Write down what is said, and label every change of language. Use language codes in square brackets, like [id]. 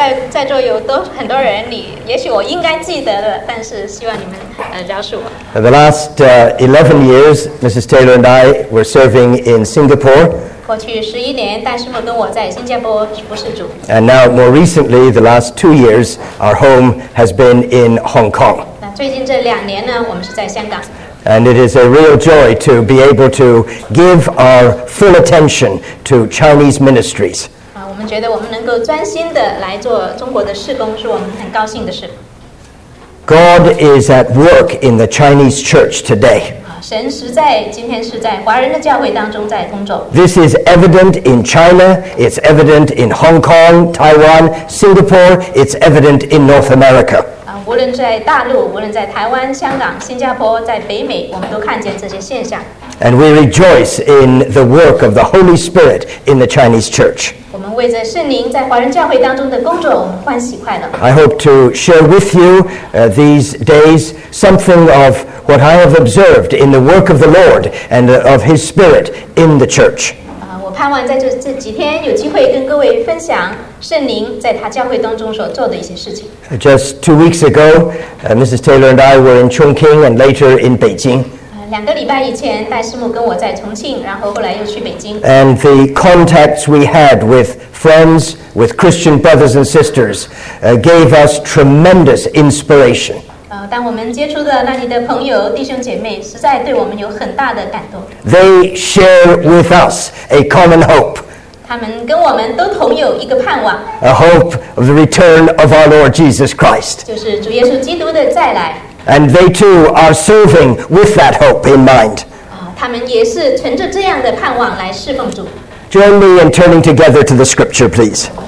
[zh] 在座有多很多人，你也许我应该记得的，但是希望你们饶恕我。 [en] The last 11 years, Mrs. Taylor and I were serving in Singapore. [zh] 过去11年，戴师母跟我在新加坡服侍主。 [en] And now, more recently, the last 2 years, our home has been in Hong Kong. [zh] 那最近这两年呢，我们是在香港。 [en] And it is a real joy to be able to give our full attention to Chinese ministries. [zh] 我们觉得我们能够专心的来做中国的事工，是我们很高兴的事。 [en] God is at work in the Chinese church today. [zh] 神实在今天是在华人的教会当中在工作。 [en] This is evident in China. It's evident in Hong Kong, Taiwan, Singapore. It's evident in North America. [zh] 无论在大陆，无论在台湾、香港、新加坡，在北美，我们都看见这些现象。 [en] And we rejoice in the work of the Holy Spirit in the Chinese church. I hope to share with you these days something of what I have observed in the work of the Lord and of His Spirit in the church. [zh] 我盼望在这几天有机会跟各位分享圣灵在他教会当中所做的一些事情。 [en] Just 2 weeks ago, Mrs. Taylor and I were in Chongqing and later in Beijing. [zh] 两个礼拜以前，戴师母跟我在重庆，然后后来又去北京。 [en] And the contacts we had with friends, with Christian brothers and sisters, gave us tremendous inspiration. [zh] 当我们接触的那里的朋友弟兄姐妹实在对我们有很大的感动。 [en] They share with us a common hope. [zh] 他们跟我们都同有一个盼望。 [en] A hope of the return of our Lord Jesus Christ. [zh] 就是主耶稣基督的再来。 [en] And they too are serving with that hope in mind. [zh] 他们也是存着这样的盼望来侍奉主。 [en] Join me in turning together to the scripture, please.